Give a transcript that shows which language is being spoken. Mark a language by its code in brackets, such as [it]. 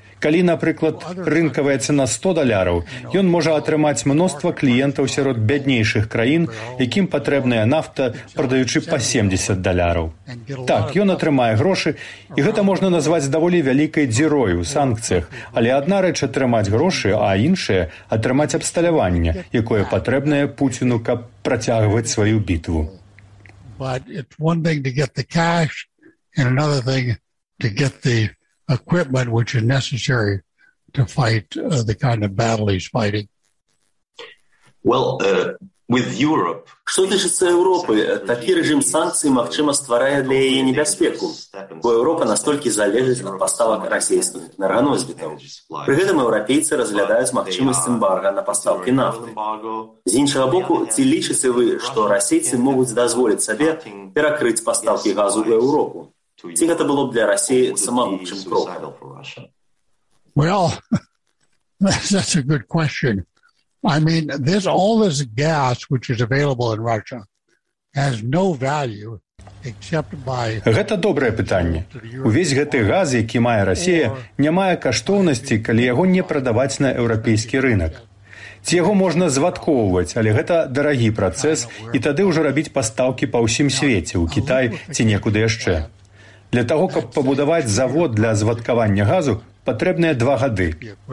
[be] Калі, наприклад, рынкавая цена 100 даляраў, ён можа атрымаць мноства кліентаў сярод бяднейшых краін, якім патрэбная нафта, прадаючы па 70 даляраў. Так, ён атрымае грошы, і гэта можна назваць даволі вялікай дзірой у санкцыях, але адна рэч атрымаць грошы, а іншая атрымаць абсталяванне, якое патрэбнае Пуціну, каб працягваць сваю бітву. [en] But it's one thing to get the cash and another thing to get the equipment, which is necessary to fight the kind of battle he's fighting. Well, with Europe... [uk] Що тичиться Європи, такий режим санкцій, можливо, створює для її небезпеку, бо Європа настільки залежить від поставок російських енергоносіїв. При цьому європейці розглядають можливість ембарго на поставки нафти. З іншого боку, чи лічите ви, що російці можуть дозволити собі перекрити поставки газу в Європу? Чи це було б для Росії самогубчим кроком? [en] Well, that's a good question. I mean, this all this gas, which is available in Russia, has no value except by. [be] Гэта добрае питання. Увесь гэты газ, які мае Расія, не мае каштоўнасці, калі яго не прадаваць на еўрапейскі рынак. Ці яго можна звадкоўваць, але гэта дарагі працэс, і тады ўжо рабіць пастаўкі па ўсім свеце, ў Кітай ці некуды яшчэ. Для таго, каб пабудаваць завод для звадкавання газу, патрэбныя 2 гады.